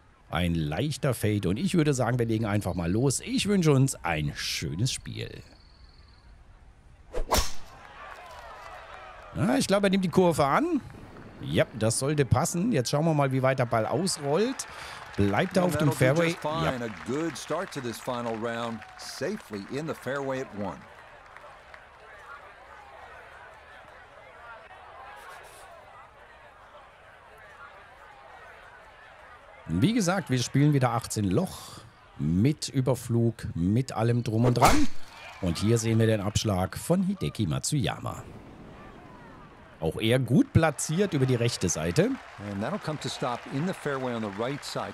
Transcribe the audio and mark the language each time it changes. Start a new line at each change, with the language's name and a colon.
German: Ein leichter Fade. Und ich würde sagen, wir legen einfach mal los. Ich wünsche uns ein schönes Spiel. Ja, ich glaube, er nimmt die Kurve an. Ja, das sollte passen. Jetzt schauen wir mal, wie weit der Ball ausrollt. Bleibt er auf dem Fairway? Ja.
English: Good start to this final round, safely in the fairway at one.
German: Wie gesagt, wir spielen wieder 18 Loch mit Überflug, mit allem drum und dran. Und hier sehen wir den Abschlag von Hideki Matsuyama. Auch eher gut platziert über die rechte Seite.
English: And that'll come to stop in the fairway on the right side.